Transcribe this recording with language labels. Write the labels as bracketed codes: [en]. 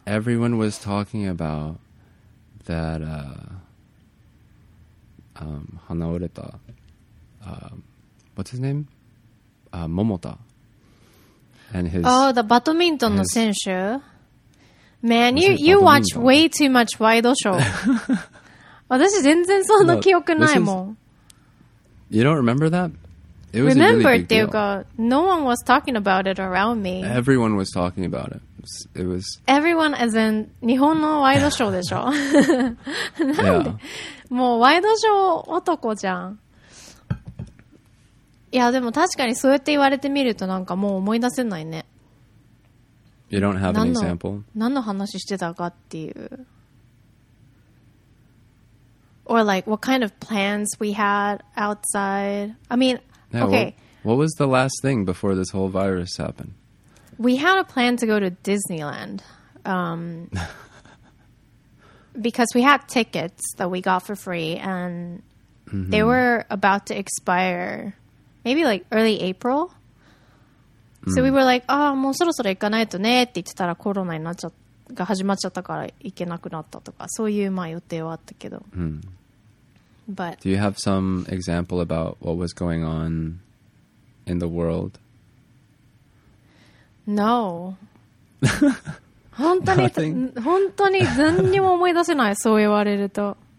[en] Everyone was talking about that... [ja] 花折れた... [en] what's his name? Momota. And his, oh, the badminton [ja] の選手? [en] Man, you watch way too much Waido show. [ja] 私全然そんな記憶ないもん。 [en] You don't remember that? It was remember a really big deal. No one was talking about it around me. Everyone was talking about it. It was... Everyone as in [ja] 日本のワイドショーでしょ。なんで、 [en] yeah. [ja] もうワイドショー男じゃん。いやでも確かにそうやって言われてみるとなんかもう思い出せないね。 [en] You don't have an example? [ja] 何の話してたかっていう。 [en] Or like what kind of plans we had outside. I mean, yeah, okay. What was the last thing before this whole virus happened? We had a plan to go to Disneyland. because we had tickets that we got for free and mm-hmm. they were about to expire maybe like early April. Mm-hmm. So we were like, ah, [ja] もうそろそろ行かないとねって言ってたらコロナになっちゃが始まっちゃったから行けなくなったとかそういうまあ予定はあったけど。 [en] Mm-hmm. But, do you have some example about what was going on in the world? No. [ja] 本当に本当に何にも思い出せないそう言われると。